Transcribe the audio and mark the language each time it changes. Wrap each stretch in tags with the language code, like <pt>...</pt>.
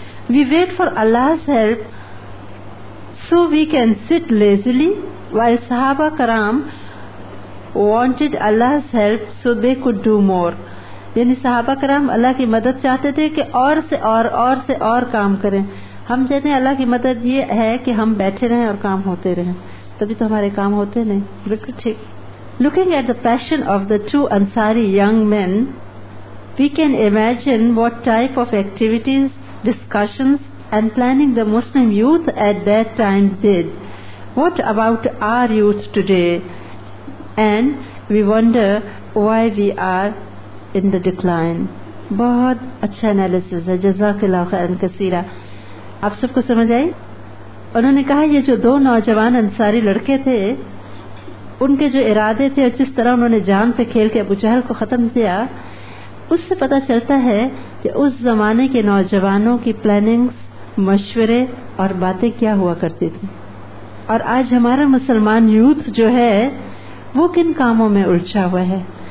<en>We wait for اللہ's help so we can sit lazily, while صحابہ کرام wanted اللہ's help so they could do more.</en> <ur>یعنی صحابہ کرام اللہ کی مدد چاہتے تھے کہ اور سے اور کام کریں. ہم کہتے ہیں اللہ کی مدد یہ ہے کہ ہم بیٹھے رہیں اور کام ہوتے رہیں, تبھی تو ہمارے کام ہوتے نہیں. بالکل ٹھیک.</ur> <en>Looking at the passion of the two Ansari young men, we can imagine what type of activities, discussions and planning the Muslim youth at that time did. What about our youth today, and we wonder why we are in the decline.</en> <ur>بہت اچھا analysis ہے, جزاک اللہ خیر کثیرہ. آپ سب کو سمجھ آئی؟ انہوں نے کہا یہ جو دو نوجوان انصاری لڑکے تھے ان کے جو ارادے تھے اور جس طرح انہوں نے جان پہ کھیل کے ابو جہل کو ختم کیا, اس سے پتہ چلتا ہے کہ اس زمانے کے نوجوانوں کی پلاننگز, مشورے اور باتیں کیا ہوا کرتی تھیں, اور آج ہمارا مسلمان یوتھ جو ہے وہ کن کاموں میں الجھا ہوا ہے.</ur>